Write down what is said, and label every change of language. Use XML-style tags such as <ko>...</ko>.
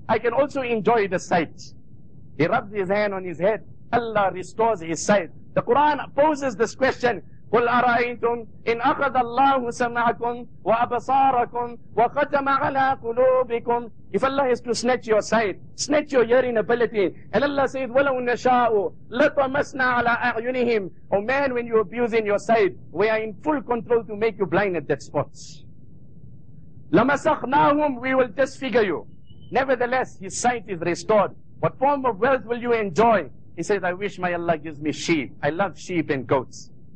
<en>I can also enjoy the sight. He rubs his hand on his head. Allah restores his sight. The Quran poses this question.</en> <ar>قُلْ أَرَأَيْتُمْ إِنْ أَخَذَ اللَّهُ سَمْعَكُمْ وَأَبْصَارَكُمْ وَخَتَمَ عَلَىٰ قُلُوبِكُمْ.</ar> <en>If Allah is to snatch your sight, snatch your hearing ability. And Allah says,</en> <ar>وَلَوْ نَشَاءُ لَطَمَسْنَا عَلَىٰ أَعْيُنِهِمْ.</ar> <en>Oh man, when you're abusing your sight, we are in full control to make you blind at that spot.</en> <ar>لَمَسَخْنَاهُمْ.</ar> <en>We will disfigure you. Nevertheless, his sight is restored. What form of wealth will you enjoy? He says, I wish my Allah gives me sheep. I love sheep and goats.</en>